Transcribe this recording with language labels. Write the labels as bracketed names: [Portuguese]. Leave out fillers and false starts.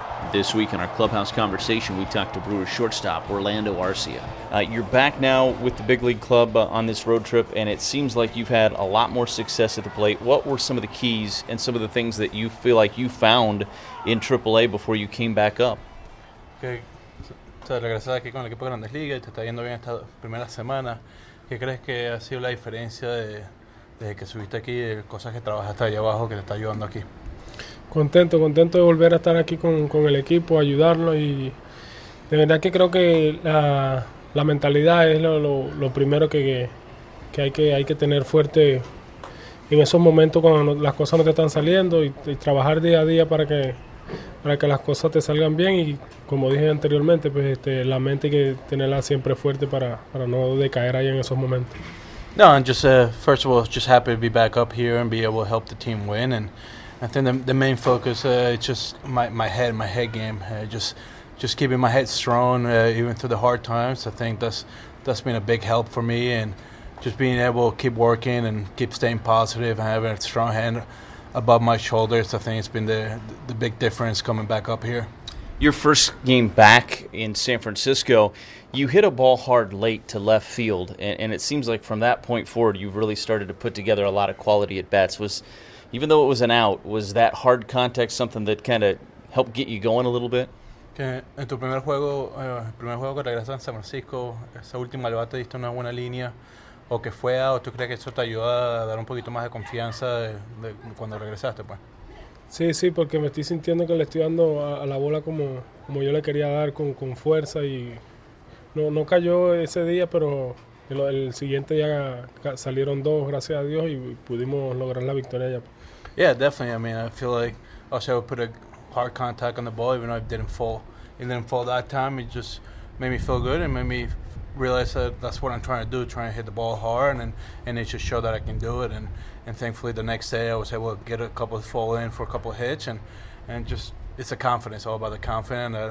[English] This week in our Clubhouse Conversation, we talked to Brewers shortstop Orlando Arcia. You're back now with the big league club on this road trip, and it seems like you've had a lot more success at the plate. What were some of the keys and some of the things that you feel like you found in AAA before you came back up? Okay. [Spanish] Te regresas aquí con el equipo Grandes Ligas, te está yendo bien esta primera semana. ¿Qué crees que ha sido la diferencia de desde que subiste aquí, cosas que trabajaste ahí abajo que te está ayudando aquí? Contento de volver a estar aquí con el equipo, ayudarlo, y de verdad que creo que la mentalidad es lo primero que hay que tener fuerte en esos momentos cuando las cosas no te están saliendo y trabajar día a día para que las cosas te salgan bien, y como dije anteriormente, pues la mente hay que tenerla siempre fuerte para no decaer ahí en esos momentos. [English] No, and just first of all, just happy to be back up here and be able to help the team win. And I think the main focus is just my head game. Just keeping my head strong even through the hard times. I think that's been a big help for me. And just being able to keep working and keep staying positive and having a strong hand above my shoulders, I think it's been the big difference coming back up here. Your first game back in San Francisco, you hit a ball hard late to left field, and it seems like from that point forward, you've really started to put together a lot of quality at bats. Was, even though it was an out, was that hard contact something that kind of helped get you going a little bit? [Spanish] Que en tu primer juego, el primer juego que regresas a San Francisco, esa última al bate diste una buena línea, o que fue, o tú crees que eso te ayuda a dar un poquito más de confianza de cuando regresaste, pues. Sí, sí, porque me estoy sintiendo que le estoy dando a la bola como yo le quería dar, con fuerza, y no cayó ese día, pero el siguiente día salieron dos, gracias a Dios, y pudimos lograr la victoria ya. [English] Yeah, definitely. I mean, I feel like also I would put a hard contact on the ball, even though it didn't fall that time. It just made me feel good and made me realize that that's what I'm trying to do, trying to hit the ball hard, and it just showed that I can do it. And thankfully, the next day I was able to get a couple of fall in for a couple of hits, and just it's a confidence, all about the confidence.